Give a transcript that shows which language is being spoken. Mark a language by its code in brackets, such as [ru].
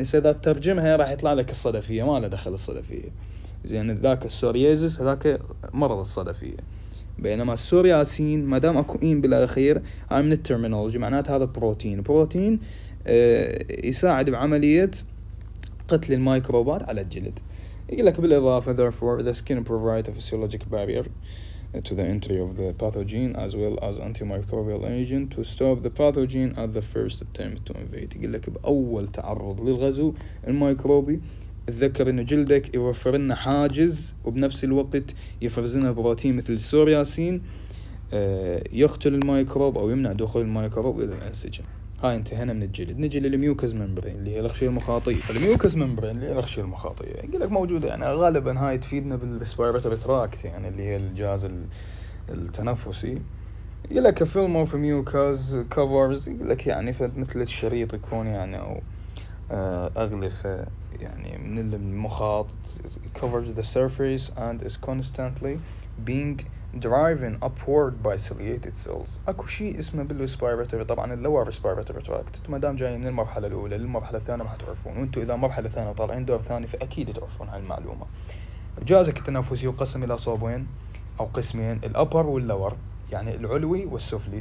[ar] هسه إذا ترجمها راح يطلع لك الصدفية، ما له دخل الصدفية. زين، ذاك السورييزس هذاك مرض الصدفية، بينما السورياسين ما دام اكو ان بالاخير هاي من الترمينولوجي، معناته هذا بروتين. بروتين يساعد بعملية قتل الميكروبات على الجلد. يقول لك بالاضافة [en] therefore the skin provides a physiologic barrier to the entry of the pathogen as well as antimicrobial agent to stop the pathogen at the first attempt to invade. [ar] يقول لك باول تعرض للغزو الميكروبي، تذكر انه جلدك يوفر لنا حاجز، وبنفس الوقت يفرز لنا بروتين مثل السورياسين يقتل الميكروب او يمنع دخول الميكروب الى الانسجه. هاي انتهينا من الجلد، نجي للميوكوز ممبرين اللي هي الاغشيه المخاطيه. الميوكوز ممبرين اللي هي الاغشيه المخاطيه يقول لك موجوده، يعني غالبا هاي تفيدنا بالريسبيرتوري تراكت، يعني اللي هي الجهاز التنفسي. يقول لك [en] film of mucous covers, [ar] يقول لك يعني مثل الشريط يكون يعني او اغلفه يعني من المخاط. [en] covers the surface and is constantly being driven upward by ciliated cells. [ar] اكو شيء اسمه بالريسبيرتوري، طبعا اللور ريسبيرتوري تراكت، انتم ما دام جايين من المرحله الاولى للمرحله الثانيه ما حتعرفون، وانتم اذا مرحله ثانيه وطالعين دور ثاني فاكيد تعرفون هالمعلومه. جهازك التنفسي يقسم الى صوبين او قسمين، الابر واللور، يعني العلوي والسفلي.